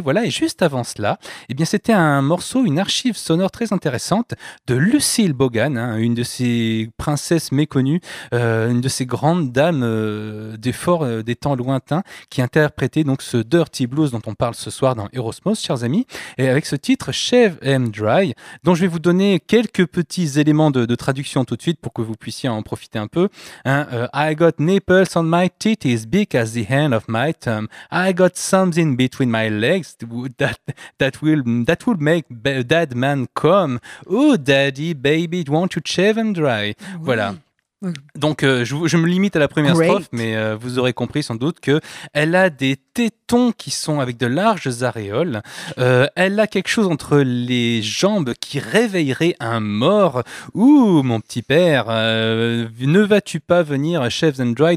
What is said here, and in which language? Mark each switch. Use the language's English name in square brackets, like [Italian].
[French] Voilà, et juste avant cela, eh bien, c'était un morceau, une archive sonore très intéressante de Lucille Bogan, hein, une de ces princesses méconnues, une de ces grandes dames des temps lointains, qui interprétait donc ce Dirty Blues dont on parle ce soir dans Erosmos, chers amis, et avec ce titre Shave and Dry, dont je vais vous donner quelques petits éléments de traduction tout de suite pour que vous puissiez en profiter un peu. [English] I got nipples on my titties big as the hand of my thumb. I got something between my legs that will make dad man come. Oh daddy baby, won't you shave and dry? [French] Oui. Voilà. Donc, je me limite à la première strophe, mais vous aurez compris sans doute qu'elle a des tétons qui sont avec de larges aréoles. Elle a quelque chose entre les jambes qui réveillerait un mort. Ouh, mon petit père, ne vas-tu pas venir shaves and dry?